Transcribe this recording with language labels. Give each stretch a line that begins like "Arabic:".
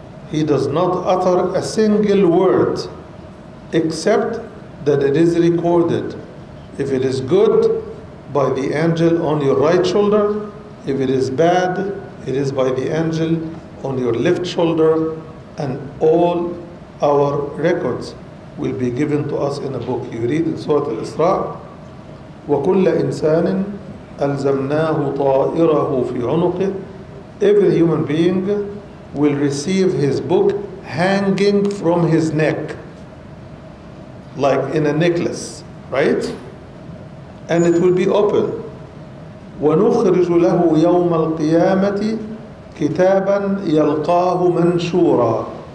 English: He does not utter a single word except that it is recorded. If it is good, by the angel on your right shoulder. If it is bad, it is by the angel on your left shoulder. And all our records will be given to us in a book. You read in Surah Al-Isra,
Arabic: وَكُلَّ إِنسَانٍ أَلْزَمْنَاهُ طَائِرَهُ فِي عُنُقِهِ.
English: Every human being will receive his book hanging from his neck, like in a necklace, right? And it will be open.
Arabic: وَنُخْرِجُ لَهُ يَوْمَ الْقِيَامَةِ كِتَابًا يَلْقَاهُ مَنْشُورًا.